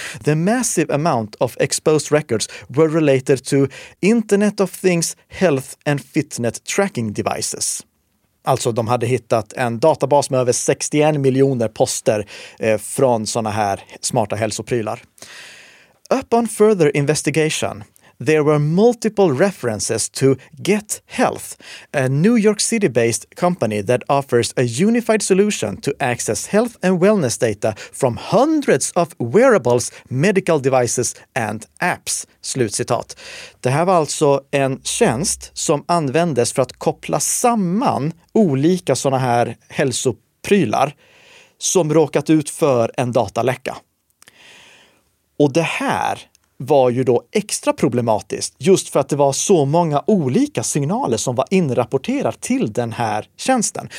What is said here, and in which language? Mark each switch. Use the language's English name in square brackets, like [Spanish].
[English] The massive amount of exposed records were related to Internet of Things health and fitness tracking devices." [Swedish] Alltså, de hade hittat en databas med över 61 miljoner poster från såna här smarta hälsoprylar. [English] "Upon further investigation, there were multiple references to Get Health, a New York City-based company that offers a unified solution to access health and wellness data from hundreds of wearables, medical devices and apps." [Swedish] Slutcitat. Det här var alltså en tjänst som användes för att koppla samman olika såna här hälsoprylar som råkat ut för en dataläcka. Och det här var ju då extra problematiskt, just för att det var så många olika signaler som var inrapporterade till den här tjänsten.